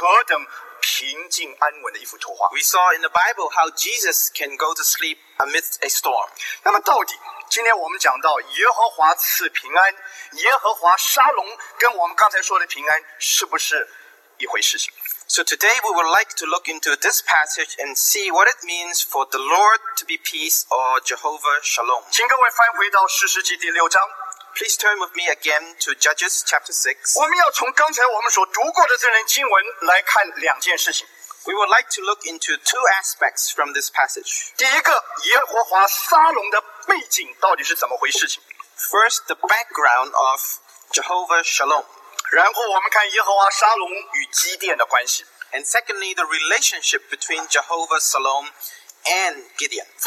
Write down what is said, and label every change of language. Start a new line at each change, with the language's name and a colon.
Chinese: 圣经里面告诉我们说，主耶稣可以在风浪的里面枕着枕头睡觉，这是何等平静安稳的一幅图画。
English: We saw in the Bible how Jesus can go to sleep amidst a storm.
Chinese: 那么到底，今天我们讲到耶和华赐平安，耶和华沙龙跟我们刚才说的平安是不是一回事情？
English: So today we would like to look into this passage and see what it means for the Lord to be peace or Jehovah Shalom.
Chinese: 请各位翻回到士师记第六章。
English: Please turn with me again to Judges chapter 6.
Chinese: 我们要从刚才我们所读过的这段经文来看两件事情。
English: We would like to look into two aspects from this passage.
Chinese: 第一个，耶和华沙龙的背景到底是怎么回事情。
English: First, the background of Jehovah Shalom.
Chinese: 然后我们看耶和华沙龙与基甸的关系。
English: And secondly, the relationship between Jehovah Shalom and Gideon.